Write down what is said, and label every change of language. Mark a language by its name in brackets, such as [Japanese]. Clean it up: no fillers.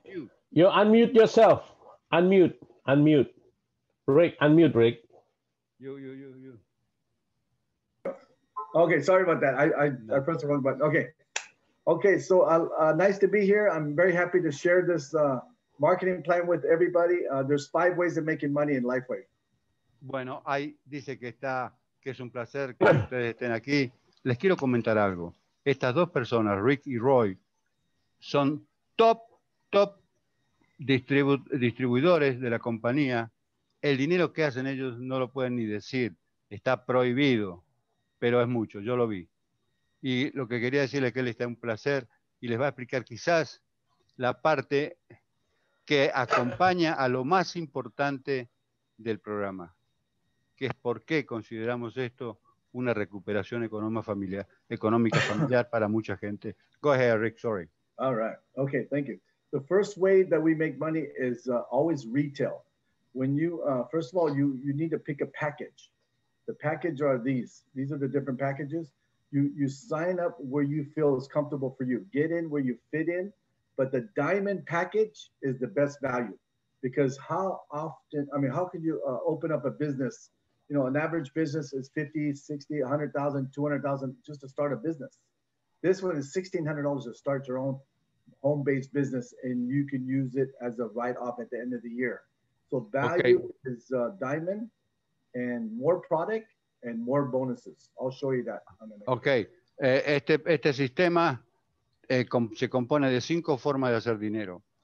[English] mute. You unmute yourself. Unmute. Rick, unmute, Rick. You. Okay, sorry about that. I pressed the wrong button. Okay. Okay, so nice to be here. I'm very happy to share this marketing plan with everybody. There's 5 ways of making money in LifeWay. [Spanish] Bueno, ahí dice que es un placer que ustedes estén aquí. Les quiero comentar algo. Estas dos personas, Rick y Roy, son top distribuidores de la compañía. El dinero que hacen ellos no lo pueden ni decir. Está prohibido, pero es mucho. Yo lo vi. Y lo que quería decirle es que él está un placer y les va a explicar quizás la parte que acompaña a lo más importante del programa, que es por qué consideramos esto una recuperación económica familiar para mucha gente. [English] Go ahead, Rick, sorry. All right, okay, thank you. The first way that we make money is always retail. When you, first of all, you need to pick a package. The package are these. These are the different packages. You sign up where you feel is comfortable for you. Get in where you fit in. But the diamond package is the best value, because how can you open up a business? You know, an average business is 50, 60, 100,000, 200,000 just to start a business. This one is $1,600 to start your own home-based business, and you can use it as a write-off at the end of the year. So value is diamond, and more product and more bonuses. I'll show you that. Okay. [Spanish] Este sistema se compone de 5 formas de hacer dinero.